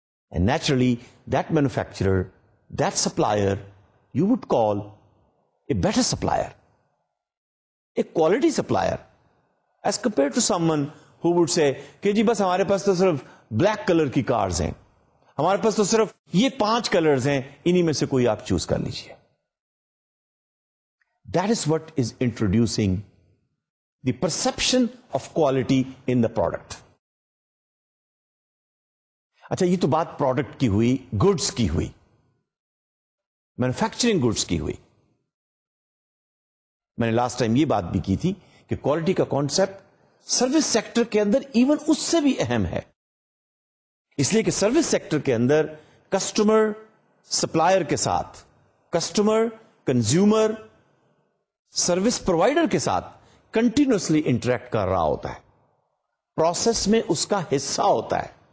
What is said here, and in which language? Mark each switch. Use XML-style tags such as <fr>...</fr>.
<en>And naturally, that manufacturer, that supplier, you would call a better supplier, a quality supplier, as compared to someone who would say,</en> <ur>ke ji bas humare paas to sirf black color ki cars hain. ہمارے پاس تو صرف یہ پانچ colours ہیں, انہی میں سے کوئی آپ چوز کر لیجئے.</ur> <en>That is what is introducing the perception of quality in the product.</en> <ur>اچھا یہ تو بات پروڈکٹ کی ہوئی, گڈس کی ہوئی, مینوفیکچرنگ گڈس کی ہوئی. میں نے لاسٹ ٹائم یہ بات بھی کی تھی کہ کوالٹی کا کانسیپٹ سروس سیکٹر کے اندر ایون اس سے بھی اہم ہے, اس لیے کہ سروس سیکٹر کے اندر کسٹمر سپلائر کے ساتھ, کسٹمر کنزیومر سروس پرووائڈر کے ساتھ کنٹینیوسلی انٹریکٹ کر رہا ہوتا ہے, پروسیس میں اس کا حصہ ہوتا ہے.</ur>